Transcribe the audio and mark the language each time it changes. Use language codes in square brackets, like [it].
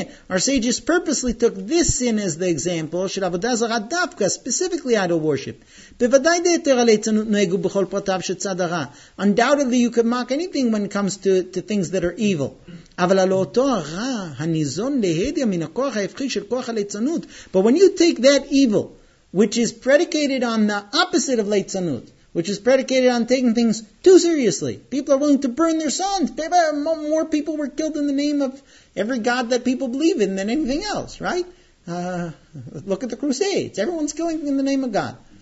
[en] Our sages purposely took this sin as the example, [he] של עבודה זרה דווקא, [en] specifically idol worship. [he] בוודאי דהיתר על היצנות נוהגו בכל פרטיו של צד הרע. [en] Undoubtedly you can mock anything when it comes to things that are evil. [he] אבל על אותו הרע, הניזון להדיה מן הכוח ההפכי של כוח הליצנות. [en] But when you take that evil, which is predicated on the opposite of ליצנות, which is predicated on taking things too seriously. People are willing to burn their sons. More people were killed in the name of every god that people believe in than anything else, right? Look at the Crusades. Everyone's killing in the name of God.